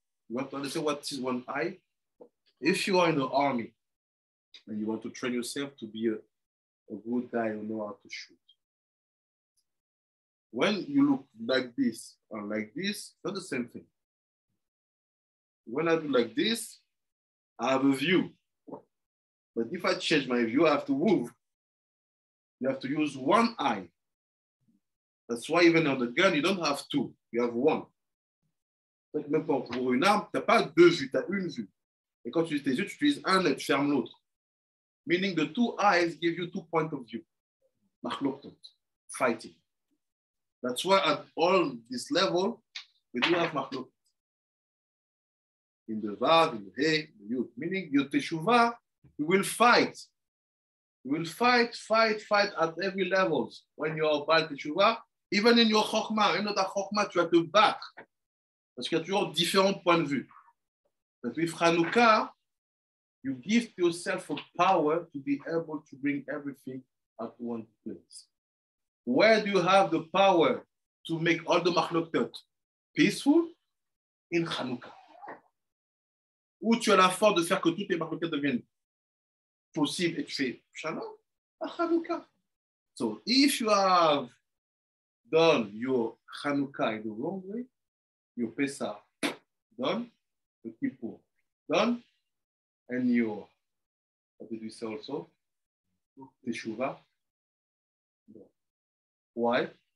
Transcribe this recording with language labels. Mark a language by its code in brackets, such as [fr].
[en] You want to understand what is one eye? If you are in the army and you want to train yourself to be a good guy who knows how to shoot, when you look like this or like this, it's not the same thing. When I do like this, I have a view. But if I change my view, I have to move. You have to use one eye. That's why even on the gun, you don't have two. You have one. [fr] Donc même pour une arme, tu n'as pas deux vues, tu as une vue. Et quand tu utilises tes yeux, tu utilises un et tu fermes l'autre. [en] Meaning the two eyes give you two points of view. Machloktot, fighting. That's why at all this level, we do have machloktot. In the Vav, in the He, in the Yud. Meaning your Teshuva, you will fight. You will fight at every level when you are Baal Teshuva. Even in your Chokhmah, even in the Chokhmah, [fr] tu vas te battre. Parce qu'il y a toujours différents points de vue. [en] But with Hanukkah, you give yourself a power to be able to bring everything at one place. Where do you have the power to make all the Machloktot peaceful? In Hanukkah. [fr] Où tu as la force de faire que toutes les Machloktot deviennent possible et tu fais Shalom à Hanukkah. [en] So if you have done your Hanukkah in the wrong way, your Pesach done, your Kippur done, and your, what did we say also? Teshuvah done. Why?